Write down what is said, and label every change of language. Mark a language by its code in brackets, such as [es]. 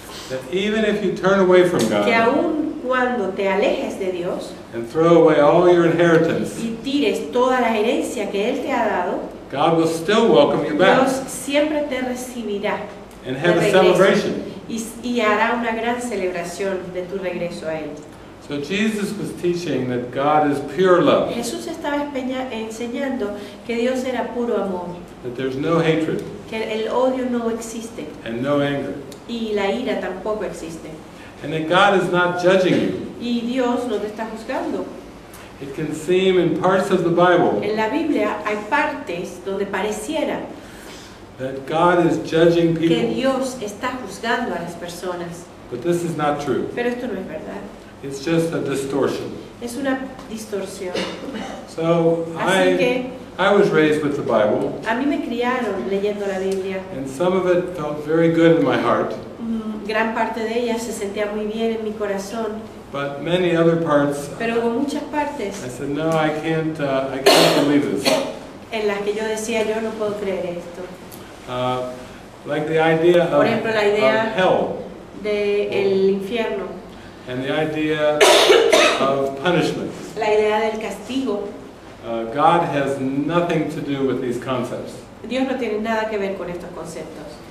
[en] That even if you turn away from God. [es] Que aun cuando te alejes de Dios. [en] And throw away all your inheritance. [es] Y tires toda la herencia que él te ha dado. [en] God will still welcome you back. [es] Dios siempre te recibirá. [en] And have a celebration. [es] Y hará una gran celebración de tu regreso a él. [en] So Jesus was teaching that God is pure love. [es] Jesús estaba enseñando que Dios era puro amor. [en] That there's no hatred. [es] Que el odio no existe. [en] And no anger. [es] Y la ira tampoco existe. [en] And that God is not judging you. [es] Y Dios no te está juzgando. [en] It can seem in parts of the Bible. [es] En la Biblia hay partes donde pareciera. [en] That God is judging people. [es] Que Dios está juzgando a las personas. [en] But this is not true. [es] Pero esto no es verdad. [en] It's just a distortion. [es] Es una distorsión. [en] So I was raised with the Bible. [es] A mí me criaron leyendo la Biblia. [en] And some of it felt very good in my heart. [es] Gran parte de ella se sentía muy bien en mi corazón. [en] But many other parts. [es] Pero con muchas partes. [en] I said no, I can't believe this. [es] En las que yo decía yo no puedo creer esto. [en] Like the idea of, [es] por ejemplo, la idea [en] of hell. [es] De el infierno. [en] And the idea of punishment. [es] La idea del castigo. [en] God has nothing to do with these concepts. [es] Dios no tiene nada que ver con estos conceptos.